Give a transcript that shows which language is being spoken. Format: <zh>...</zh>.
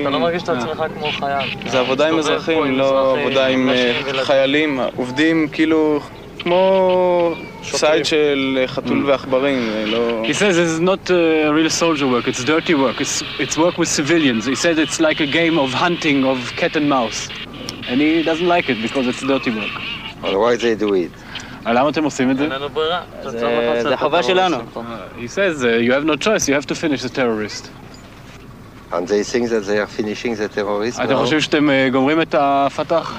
<he>אתה לא מרגיש את עצמך כמו חייל. זה עבודה עם אזרחים, לא עבודה עם חיילים. עובדים כאילו כמו סייד של חתול ועכברים.</he> <en>He says it's not real soldier work, it's dirty work. It's work with civilians. He said it's like a game of hunting, of cat and mouse. And he doesn't like it because it's dirty work. Well, why they do it?</en> <he>למה אתם עושים את זה? זה חובה שלנו.</he> <en>He says, you have no choice, you have to finish the terrorist. And they think that they are finishing the terrorists.</en> <he>אתם חושבים שאתם גומרים את הפתח?</he>